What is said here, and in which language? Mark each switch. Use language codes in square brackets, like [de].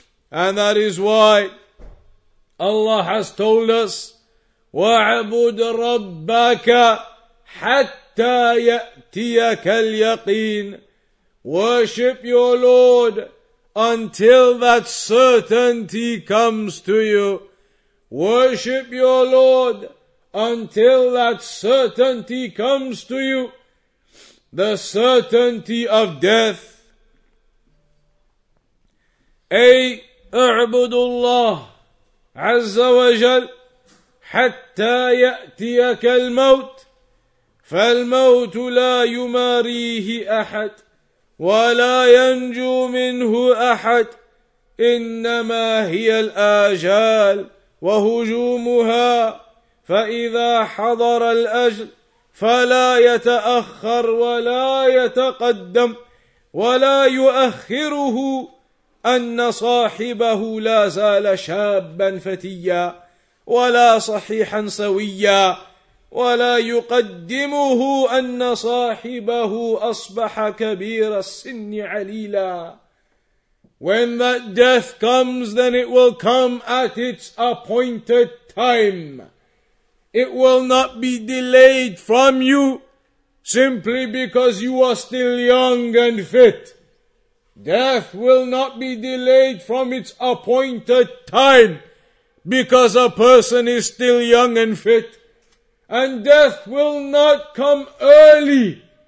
[en] And that is why Allah has told us, [ar] وَعَبُدْ رَبَّكَ حَتَّى يَأْتِيَكَ الْيَقِينَ [en] Worship your Lord until that certainty comes to you. Worship your Lord until that certainty comes to you, the certainty of death. [ar] أي أعبد الله عز وجل حتى يأتيك الموت فالموت لا يماريه أحد ولا ينجو منه أحد إنما هي الآجال وهجومها فإذا حضر الأجل فلا يتأخر ولا يتقدم ولا يؤخره أن صاحبه لا زال شابا فتيا ولا صحيحا سويا ولا يقدمه أن صاحبه أصبح كبير السن عليلا [en] When that death comes, then it will come at its appointed time. It will not be delayed from you simply because you are still young and fit. Death will not be delayed from its appointed time because a person is still young and fit. And death will not come early